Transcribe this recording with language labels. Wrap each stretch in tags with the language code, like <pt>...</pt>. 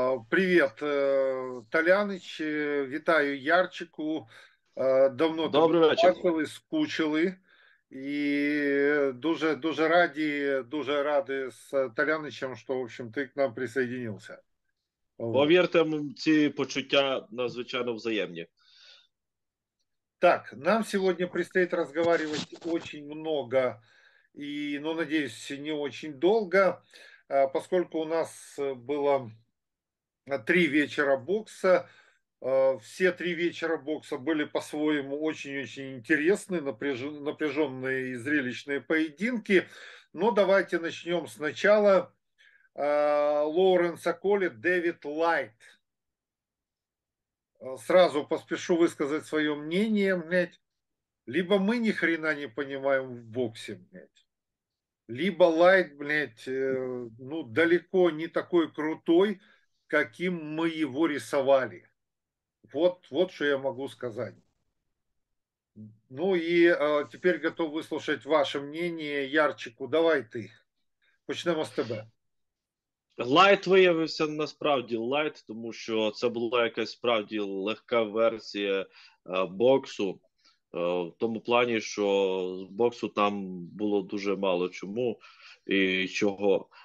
<ru>Привет, Толяныч, витаю Ярчику.</ru> <uk>Давно там Добрий вечір. бачили, скучили. И дуже раді, дуже раді з Толяничем, що, в общем, ти</uk> <ru>к нам присоединился.</ru> <uk>Повірте, ці почуття надзвичайно взаємні. Так, нам сьогодні</uk> <ru>предстоит разговаривать очень много и, ну, надеюсь, не очень долго, поскольку у нас было три вечера бокса. Все три вечера бокса были по-своему очень-очень интересные, напряженные и зрелищные поединки. Но давайте начнем сначала. Лоуренс Коллит, Дэвид Лайт. Сразу поспешу высказать свое мнение, блядь. Либо мы ни хрена не понимаем в боксе, блядь. Либо Лайт, блядь, ну, далеко не такой крутой, каким мы его рисовали. Вот что я могу сказать. Ну и теперь готов выслушать ваше мнение, Ярчику. Давай ты.</ru> <uk>Почнем</uk> <ru>с тебя.</ru> <uk>Лайт виявився насправді лайт, тому що це була якась справді легка версія боксу, в тому плані, що боксу там було дуже мало чому і чого.</uk>